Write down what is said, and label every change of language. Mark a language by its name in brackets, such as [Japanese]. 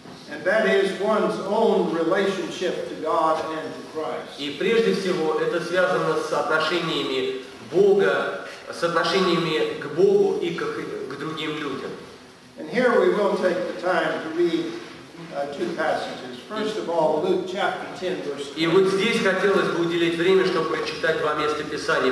[English] And that is one's own relationship to God and to Christ. [Russian] И прежде всего, это связано с отношениями Бога с отношениями к Богу и к другим людям. [English] And here we will take the time to read two passages. First of all, Luke chapter 10, verse [Russian] 20. И вот здесь хотелось бы уделить время, чтобы прочитать два места Писания.